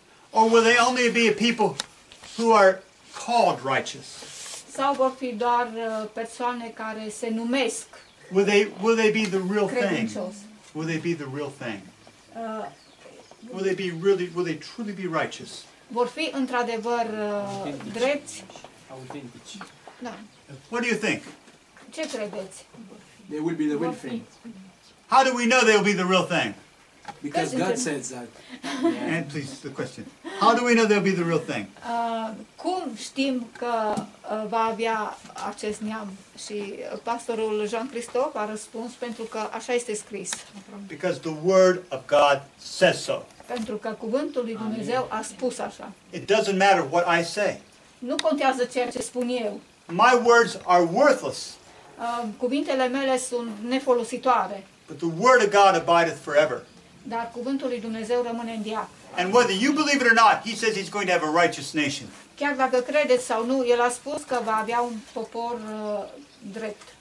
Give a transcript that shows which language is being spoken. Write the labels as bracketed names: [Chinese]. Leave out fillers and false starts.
[English] Or will they only be a people who are called righteous? [Romanian] Sau vor fi doar persoane care se numesc? [English] Will they be the real [Romanian] credincios? [English] Thing? Will they be the real thing? Will they truly be righteous? [Romanian] Vor fi într-adevăr drepți? Autentici. Da. [English] What do you think? [Romanian] Ce credeți? [English] They will be the real thing. How do we know they will be the real thing? Because God says that. Yeah. And please, the question. How do we know they will be the real thing? [Romanian] Cum știm că va avea acest neam? Și pastorul Jean-Christophe a răspuns: pentru că așa este scris. [English] Because the word of God says so. [Romanian] Pentru că cuvântul lui Dumnezeu a spus așa. [English] It doesn't matter what I say. [Romanian] Nu contează ceea ce spun eu. [English] My words are worthless. [Romanian] Cuvintele mele sunt nefolositoare. [English] But the word of God abideth forever. [Romanian] Dar cuvântul lui Dumnezeu rămâne în veac. [English] And whether you believe it or not, he says he's going to have a righteous nation. [Romanian] Chiar dacă credeți sau nu, el a spus că va avea un popor drept.